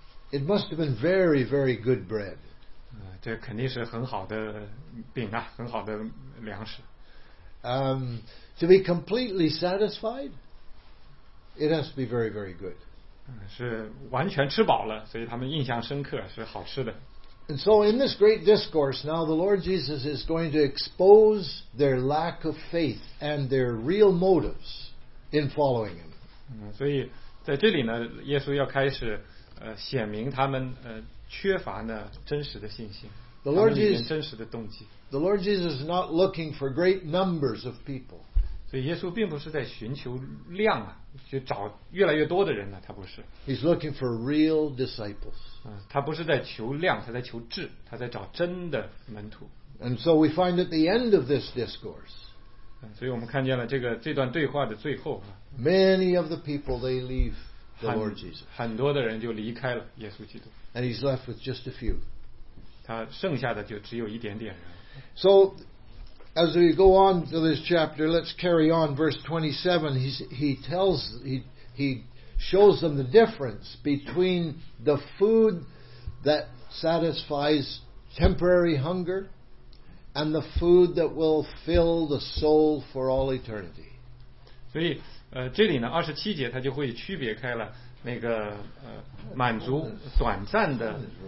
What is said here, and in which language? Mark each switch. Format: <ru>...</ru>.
<en>It must have been very, very good bread.</en> <zh>这肯定是很好的饼啊，很好的粮食。</zh> <en>To be completely satisfied, it has to be very, very good.</en> <zh>是完全吃饱了，所以他们印象深刻，是好吃的。</zh> <en>And so in this great discourse, now the Lord Jesus is going to expose their lack of faith and their real motives in following him.</en> <zh>所以在这里呢，耶稣要开始显明他们缺乏呢真实的信心，他们里面真实的动机。</zh> <en>The Lord Jesus is not looking for great numbers of people.</en> <zh>所以耶稣并不是在寻求量啊，去找越来越多的人呢，他不是。</zh> <en>He's looking for real disciples.</en> <zh>他不是在求量，他在求质，他在找真的门徒。</zh> <en>And so we find at the end of this discourse.</en> <zh>所以我们看见了这段对话的最后。</zh> <en>Many of the people they leave the Lord Jesus.</en> <zh>很多的人就离开了耶稣基督。</zh> <en>And he's left with just a few.</en> <zh>他剩下的就只有一点点人。</zh> <en>So as we go on to this chapter, let's carry on. Verse 27, he shows them the difference between the food that satisfies temporary hunger and the food that will fill the soul for all eternity.</en> <zh>所以这里呢，二十七节它就会区别开了那个满足短暂的</zh>